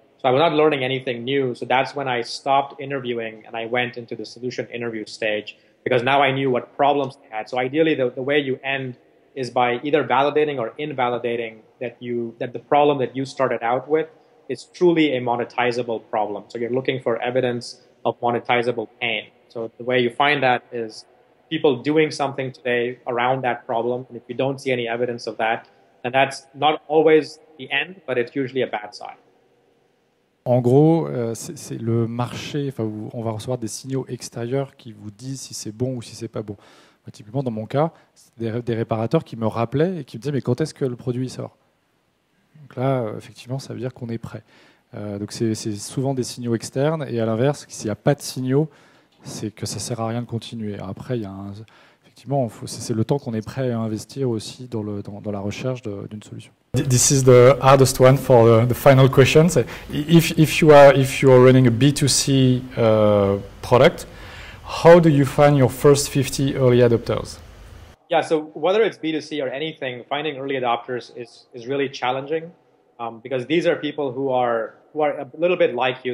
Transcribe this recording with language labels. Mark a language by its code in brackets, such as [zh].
[en] So I was not learning anything new. So that's when I stopped interviewing and I went into the solution interview stage, because now I knew what problems they had. So ideally, the way you end is by either validating or invalidating that the problem that you started out with, it's truly a monetizable problem. So you're looking for evidence of monetizable pain. So the way you find that is people doing something today around that problem. And if you don't see any evidence of that, then that's not always the end, but it's usually a bad sign. [fr] En gros, c'est le marché. Enfin, on va recevoir des signaux extérieurs qui vous disent si c'est bon ou si c'est pas bon. Mais typiquement, dans mon cas, c'est des réparateurs qui me rappelaient et qui me disaient « Mais quand est-ce que le produit sort ?» Donc là, effectivement, ça veut dire qu'on est prêt. Donc c'est souvent des signaux externes. Et à l'inverse, s'il n'y a pas de signaux, c'est que ça ne sert à rien de continuer. Alors après, c'est le temps qu'on est prêt à investir aussi dans la recherche d'une solution. [en] This is the hardest one for the final question. If you are running a B2C product, how do you find your first 50 early adopters? Yeah, so whether it's B2C or anything, finding early adopters is really challenging, because these are people who are a little bit like you.